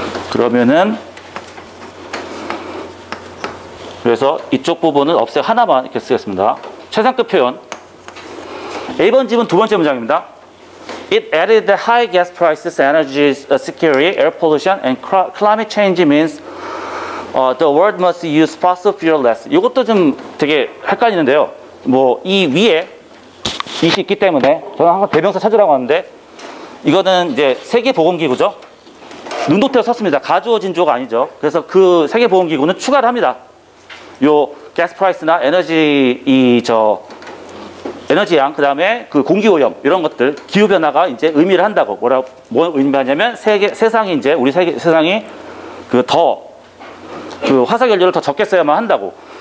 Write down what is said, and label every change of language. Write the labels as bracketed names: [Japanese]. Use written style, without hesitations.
[Korean] 그러면은 그래서 이쪽 부분은 없애 하나만 이렇게 쓰겠습니다. 최상급 표현 A번 질문 두 번째 문장입니다. [English] It added the high gas prices, energy security, air pollution, and climate change means the world must use fossil fuel less. [Korean] 이것도 좀 되게 헷갈리는데요. 뭐 이 위에 이시 있기 때문에 저는 항상 대명사 찾으라고 하는데 이거는 이제 세계보건기구죠. 눈도대로 썼습니다. 가주어 진주어가 아니죠. 그래서 그 세계보건기구는 추가를 합니다. 요 gas price나 에너지 이 저 에너지량, 그 다음에 그 공기오염 이런 것들 기후 변화가 이제 의미를 한다고 뭐 의미하냐면 세상이 이제 우리 세상이 그 더 그 화석 연료를 더 적게 써야만 한다고.